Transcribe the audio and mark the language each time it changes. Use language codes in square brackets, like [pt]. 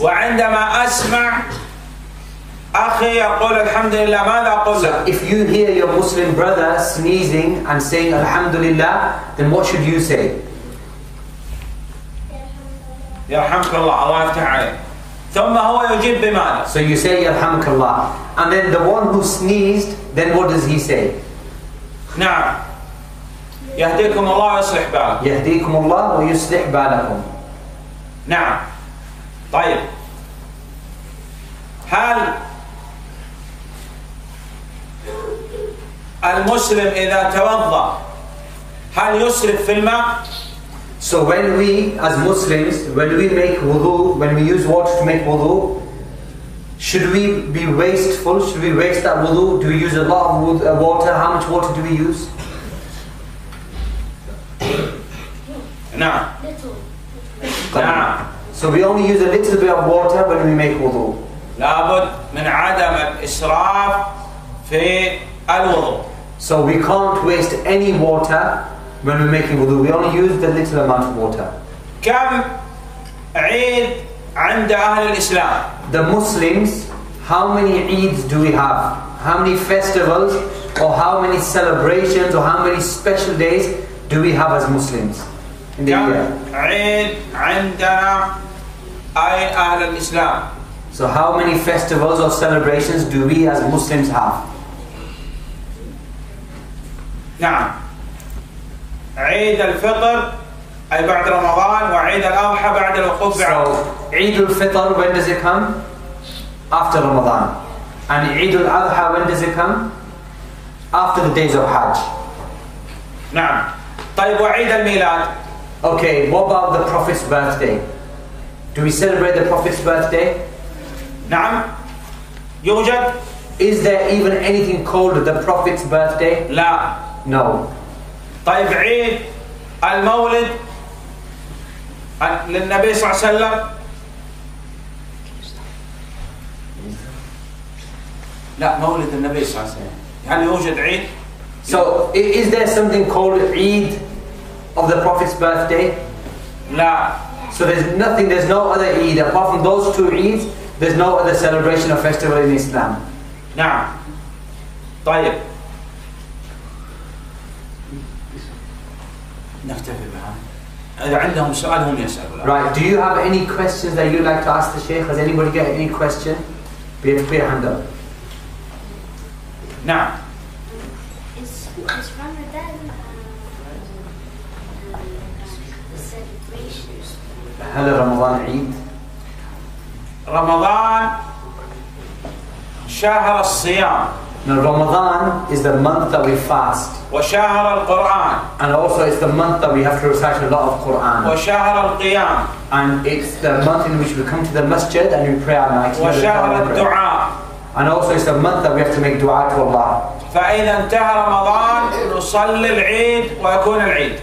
[ar] وعندما أسمع أخي يقول الحمد لله ماذا أقول؟ [en] So if you hear your Muslim brother sneezing and saying [ar] الحمد لله, [en] then what should you say? [ar] يرحمك الله الله يفتح عليك. ثم هو يجيب بماذا؟ [en] So you say [ar] يرحمك الله. [en] And then the one who sneezed, then what does he say? [ar] نعم. يهديكم الله ويصلح بالكم. يهديكم الله ويصلح بالكم. نعم. طيب، هل المسلم إذا توضأ هل يسرف في الماء؟ [en] So when we as Muslims, when we make wudu, when we use water to make wudu, should we be wasteful? Should we waste that wudu? Do we use a lot of wudu, water? How much water do we use? No. Little. No. So we only use a little bit of water when we make wudu. [ar] لابد من عدم الإسراف في الوضوء. [en] So we can't waste any water when we're making wudu. We only use the little amount of water. [ar] كم عيد عند أهل الإسلام؟ [en] The Muslims, how many Eids do we have? How many festivals or how many celebrations or how many special days do we have as Muslims in the year? [ar] كم عيد عندنا أي أهل الإسلام؟ [en] So how many festivals or celebrations do we as Muslims have? [ar] نعم. عيد الفطر أي بعد رمضان وعيد الأضحى بعد الوقوف بعرفة. [en] So عيد الفطر when does it come? After رمضان. And عيد الأضحى when does it come? After the days of Hajj. [ar] نعم. طيب وعيد الميلاد. [en] Okay, what about the Prophet's birthday? Do we celebrate the Prophet's birthday? [ar] نعم. يوجد. [en] Is there even anything called the Prophet's birthday? [ar] لا. [en] No. [ar] طيب عيد المولد للنبي صلى الله عليه وسلم. لا مولد النبي صلى الله عليه وسلم. هل يوجد عيد؟ [en] So is there something called عيد of the Prophet's birthday? [ar] لا. [en] So there's nothing. There's no other عيد apart from those two عيد. There's no other celebration or festival in Islam. [ar] نعم. طيب. نكتفي بهذا. إذا عندهم سؤال هم يسألون. [en] Right. Do you have any questions that you'd like to ask the Sheikh? Has anybody got any question? Be able to put your hand up. [ar] نعم. [en] Is Ramadan [ar] هل رمضان عيد؟ رمضان شهر الصيام. [en] Now Ramadan is the month that we fast. [ar] وشهر القرآن. [en] And also it's the month that we have to recite a lot of Quran. [ar] وشهر القيام. [en] And it's the month in which we come to the masjid and we pray at night. [ar] وشهر الدعاء. [en] And also it's the month that we have to make dua to Allah. [ar] فإذا انتهى رمضان نصلي العيد ويكون العيد.